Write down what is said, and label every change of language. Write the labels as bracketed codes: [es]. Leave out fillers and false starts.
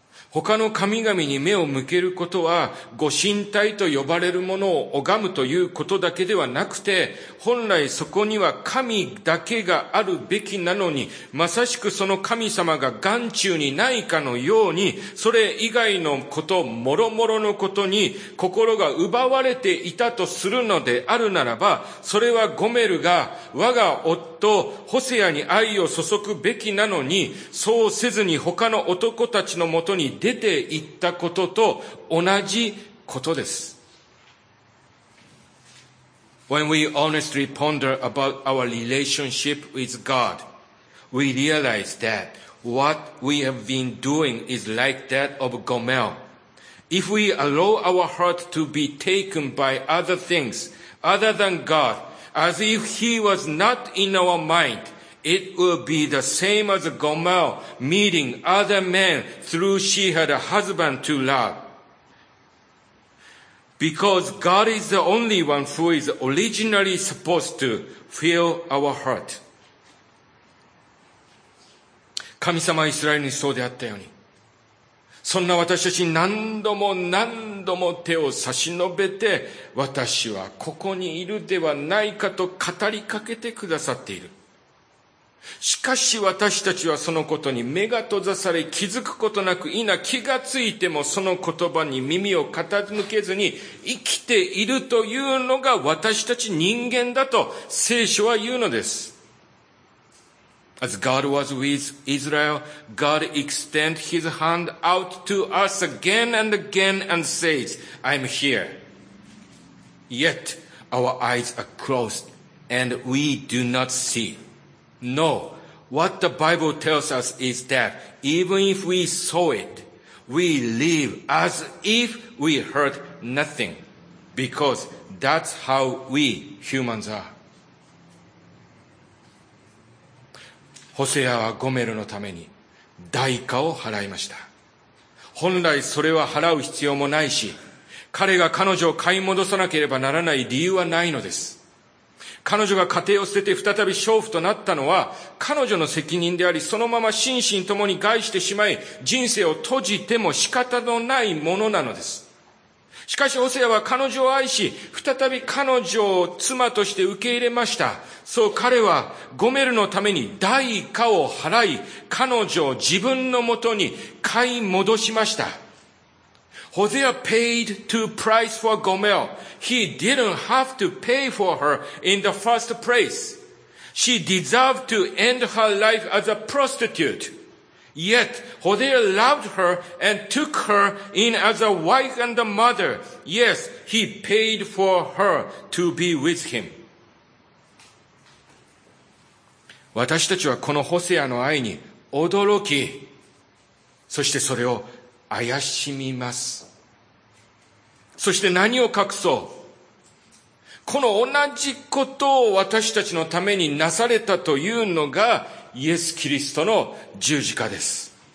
[ja] 他の神々に目を向けることは、ご神体と呼ばれるものを拝むということだけではなくて、本来そこには神だけがあるべきなのに、まさしくその神様が眼中にないかのように、それ以外のこと、もろもろのことに心が奪われていたとするのであるならば、それはゴメルが我が夫ホセアに愛を注ぐべきなのに、そうせずに他の男たちのもとに出て行ったことと同じことです。 [en] When we honestly ponder about our relationship with God, we realize that what we have been doing is like that of Gomer. If we allow our heart to be taken by other things other than God, as if He was not in our mind,It will be the same as Gomer meeting other men through she had a husband to love. Because God is the only one who is originally supposed to fill our heart. [ja] 神様はイスラエルにそうであったように、そんな私たちに何度も何度も手を差し伸べて、私はここにいるではないかと語りかけてくださっている。しかし私たちはそのことに目が閉ざされ、気づくことなく、いな気がついてもその言葉に耳を傾けずに生きているというのが私たち人間だと聖書は言うのです。 [en] As God was with Israel, God extend his hand out to us again and again and says, I'm here. Yet our eyes are closed and we do not seeNo, what the Bible tells us is that even if we saw it, we live as if we heard nothing, because that's how we humans are. [ja] ホセアはゴメルのために代価を払いました。本来それは払う必要もないし、彼が彼女を買い戻さなければならない理由はないのです。彼女が家庭を捨てて再び娼婦となったのは彼女の責任であり、そのまま心身ともに害してしまい、人生を閉じても仕方のないものなのです。しかしホセアは彼女を愛し、再び彼女を妻として受け入れました。そう、彼はゴメルのために代価を払い、彼女を自分のもとに買い戻しました。 [en] Hosea paid to price for Gomer. He didn't have to pay for her in the first place. She deserved to end her life as a prostitute. Yet, Hosea loved her and took her in as a wife and a mother. Yes, he paid for her to be with him. [ja] 私たちはこのホセアの愛に驚き、そしてそれを怪しみます。そして何を隠そう、この同じことを私たちのためになされたというのがイエス・キリストの十字架です。